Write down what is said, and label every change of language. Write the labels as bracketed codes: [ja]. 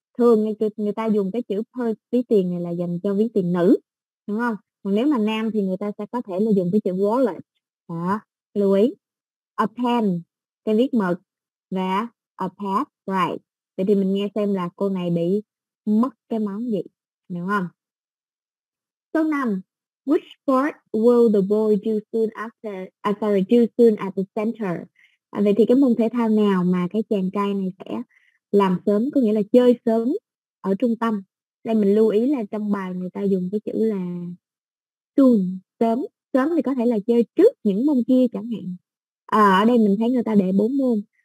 [vi] Thường người ta dùng cái chữ purse, ví tiền này là dành cho ví tiền nữ, đúng không? Còn nếu mà nam thì người ta sẽ có thể là dùng cái chữ wallet. Đó, lưu ý. [en] A pen, [vi] cái viết mực. Và [en] a pad, right. [vi] Vậy thì mình nghe xem là cô này bị mất cái món gì, đúng không? Số 5. [en] Which sport will the boy do soon after, do soon at the center? [vi] Vậy thì cái môn thể thao nào mà cái chàng trai này sẽ làm sớm, có nghĩa là chơi sớm ở trung tâm. Đây mình lưu ý là trong bài người ta dùng cái chữ là soon, sớm. Sớm thì có thể là chơi trước những môn kia chẳng hạn. Ở đây mình thấy người ta để 4 môn.